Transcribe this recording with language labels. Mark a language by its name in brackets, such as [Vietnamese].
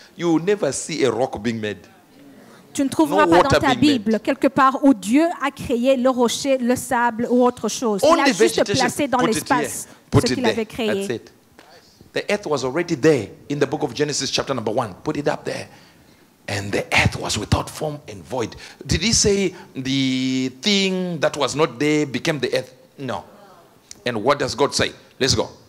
[English] You will never see a rock being made. [French] Tu ne trouveras pas dans ta Bible quelque part où Dieu a créé le rocher, le sable ou autre chose. Il a juste placé dans l'espace ce qu'il avait créé. [English] That's it. The earth was already there in the book of Genesis chapter number 1. Put it up there. And the earth was without form and void. Did he say the thing that was not there became the earth? No. And what does God say? Let's go.